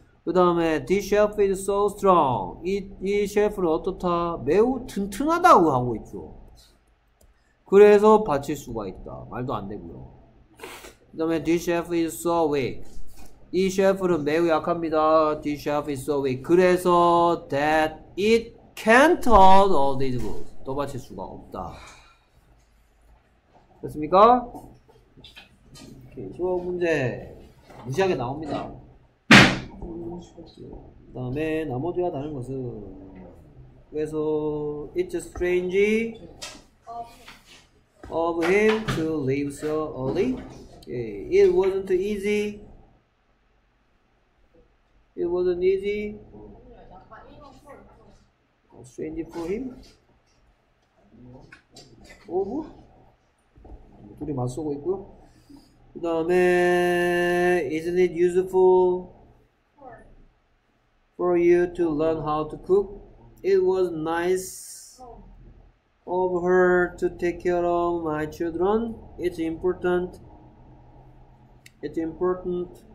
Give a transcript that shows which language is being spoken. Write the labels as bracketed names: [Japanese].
[Korean] 그 다음에, [English] this shelf is so strong. [Korean] 이 셸프는 어떻다? 매우 튼튼하다고 하고 있죠. 그래서 받칠 수가 있다. 말도 안 되고요. 그 다음에, [English] this shelf is so weak. [Korean] 이 셸프는 매우 약합니다. [English] this shelf is so weak. [Korean] 그래서, [English] that it can't hold all these books. [Korean] 또 받칠 수가 없다. 됐습니까? 수업 문제 무지하게 나옵니다. 그 다음에 나머지와 다른 것은 그래서 [English] It's strange of him to leave so early. It wasn't easy. It wasn't easy. Strange for him. [Korean] 오브 둘이 맞서고 있고요. 그 다음에 [English] isn't it useful for you to learn how to cook? It was nice of her to take care of my children. It's important. It's important.